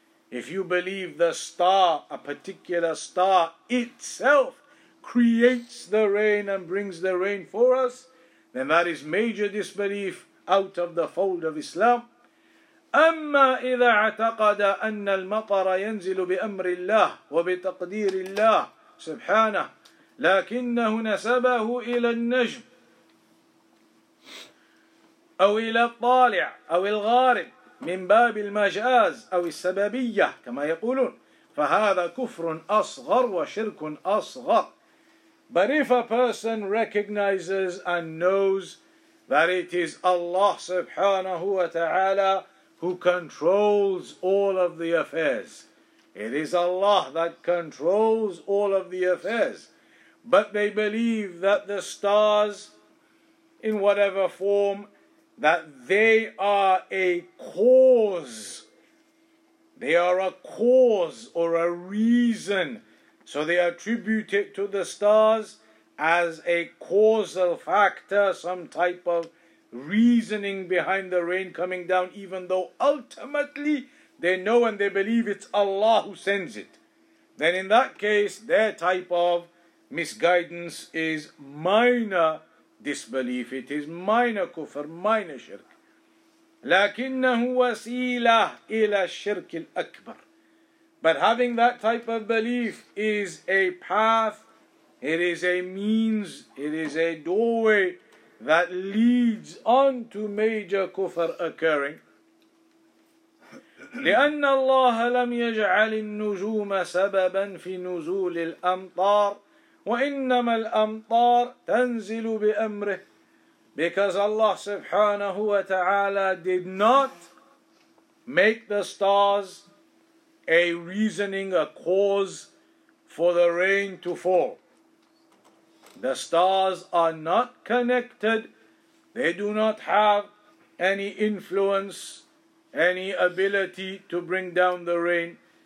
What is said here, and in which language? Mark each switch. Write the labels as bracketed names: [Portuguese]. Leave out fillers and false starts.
[English] If you believe the star, a particular star itself, creates the rain and brings the rain for us, then that is major disbelief out of the fold of Islam. [Arabic] أما إذا اعتقد أن المطر ينزل بأمر الله وبتقدير الله سبحانه لكنه نسبه إلى النجم أو إلى الطالع أو الغارب من باب المجاز أو السببية كما يقولون فهذا كفر أصغر وشرك أصغر. [English] But if a person recognizes and knows that it is Allah subhanahu wa ta'ala who controls all of the affairs. It is Allah that controls all of the affairs. But they believe that the stars, in whatever form, that they are a cause. They are a cause or a reason. So they attribute it to the stars as a causal factor, some type of reasoning behind the rain coming down, even though ultimately they know and they believe it's Allah who sends it. Then in that case, their type of misguidance is minor disbelief. It is minor kufr, minor shirk. [Arabic] لكنه وسيلة إلى الشرك الأكبر. [English] But having that type of belief is a path, it is a means, it is a doorway that leads on to major kufr occurring. [Arabic] لأن الله لم يجعل النجوم سببا في نزول الأمطار وإنما الأمطار تنزل بأمره. [English] Because Allah subhanahu wa ta'ala did not make the stars a reasoning, a cause for the rain to fall. The stars are not connected. They do not have any influence, any ability to bring down the rain.